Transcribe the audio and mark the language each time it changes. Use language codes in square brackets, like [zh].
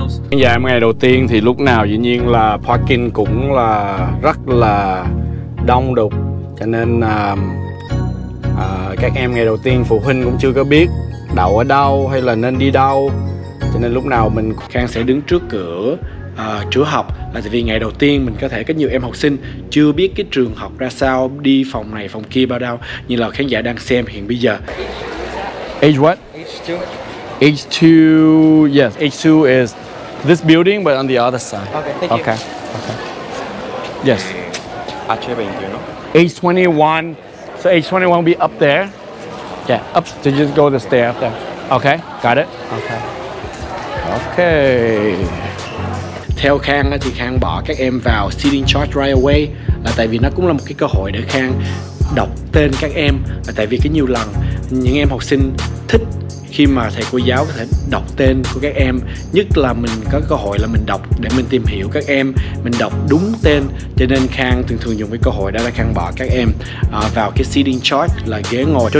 [vi] Dạ, ngày đầu tiên thì lúc nào dĩ nhiên là parking cũng là rất là đông đục, cho nên các em ngày đầu tiên phụ huynh cũng chưa có biết đậu ở đâu hay là nên đi đâu, cho nên lúc nào mình Khang sẽ đứng trước cửa chữa học, là tại vì ngày đầu tiên mình có thể có nhiều em học sinh chưa biết cái trường học ra sao, đi phòng này phòng kia bao đâu, như là khán giả đang xem hiện bây giờ. [en] Age what? Age 2. Yes, age 2 is this building but on the other side. Okay, thank okay. you. Okay. Yes. Age 21. So age 21 will be up there. Yeah, up to just go the stair up there. Okay, got it. Okay. Okay. [vi] Theo Khang thì Khang bỏ các em vào seating chart [en] right away, [vi] là tại vì nó cũng là một cái cơ hội để Khang đọc tên các em, là tại vì cái nhiều lần những em học sinh thích khi mà thầy cô giáo có thể đọc tên của các em, nhất là mình có cơ hội là mình đọc để mình tìm hiểu các em, mình đọc đúng tên, cho nên Khang thường thường dùng cái cơ hội đó là Khang bỏ các em vào cái seating chart, là ghế ngồi.